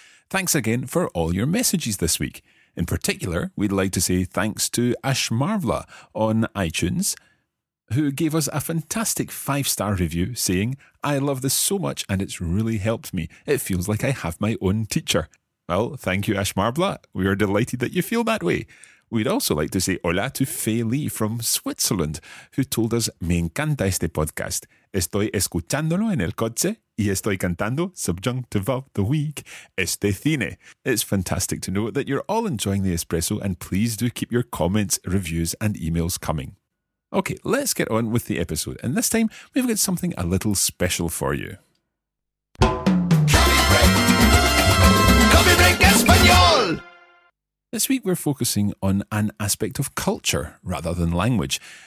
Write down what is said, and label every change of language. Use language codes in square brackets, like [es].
[en] Thanks again for all your messages this week. In particular, we'd like to say thanks to Ashmarvla on iTunes, who gave us a fantastic 5-star review saying, "I love this so much and it's really helped me. It feels like I have my own teacher." Well, thank you, Ashmarvla. We are delighted that you feel that way. We'd also like to say hola to Fei Li from Switzerland, who told us, [es] "Me encanta este podcast. Estoy escuchándolo en el coche y estoy cantando [en] subjunctive of the week, [es] este cine." [en] It's fantastic to know that you're all enjoying the espresso, and please do keep your comments, reviews and emails coming. Okay, let's get on with the episode. And this time, we've got something a little special for you. Coffee Break Español! This week we're focusing on an aspect of culture rather than language.